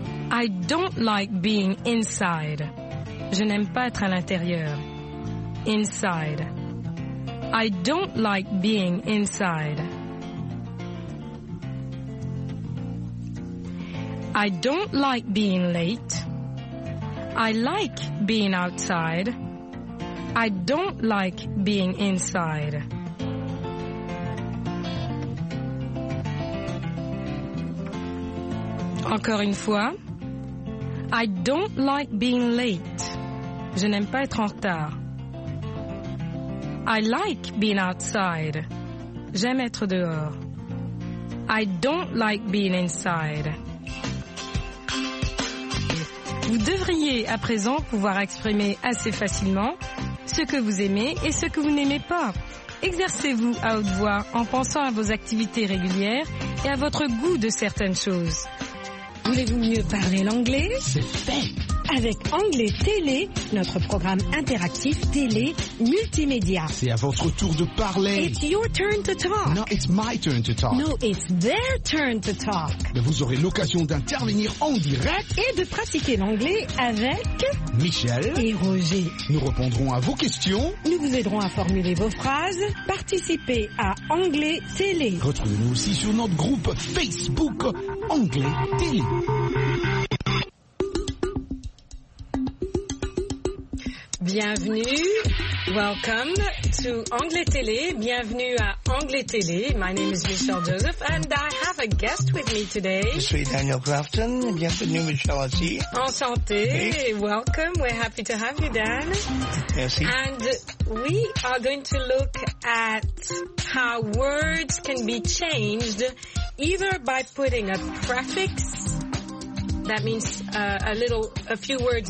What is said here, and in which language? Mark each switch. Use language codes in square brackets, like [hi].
[en] I don't like being inside. [fr] Je n'aime pas être à l'intérieur. [en] Inside. I don't like being inside. I don't like being late. I like being outside. I don't like being inside. [fr] Encore une fois, [en] I don't like being late. [fr] Je n'aime pas être en retard. [en] I like being outside. [fr] J'aime être dehors. [en] I don't like being inside. [fr] Vous devriez à présent pouvoir exprimer assez facilement ce que vous aimez et ce que vous n'aimez pas. Exercez-vous à haute voix en pensant à vos activités régulières et à votre goût de certaines choses. Voulez-vous mieux parler l'anglais? C'est fait! Avec Anglais Télé, notre programme interactif télé multimédia. C'est à votre tour de parler. [en] It's your turn to talk. No, it's my turn to talk. No, it's their turn to talk. [fr] Mais vous aurez l'occasion d'intervenir en direct. Et de pratiquer l'anglais avec... Michel. Et Roger. Nous répondrons à vos questions. Nous vous aiderons à formuler vos phrases. Participez à Anglais Télé. Retrouvez-nous aussi sur notre groupe Facebook Anglais Télé. Bienvenue, [en] welcome to [fr] Anglais Télé, bienvenue à Anglais Télé. [en] My name is Michelle Joseph and I have a guest with me today. [fr] Je suis Daniel Clapton, bienvenue Michelle aussi. Enchanté, hey. [en] Welcome, we're happy to have you Dan. [fr] Merci. [en] And we are going to look at how words can be changed either by putting a prefix. That means a few words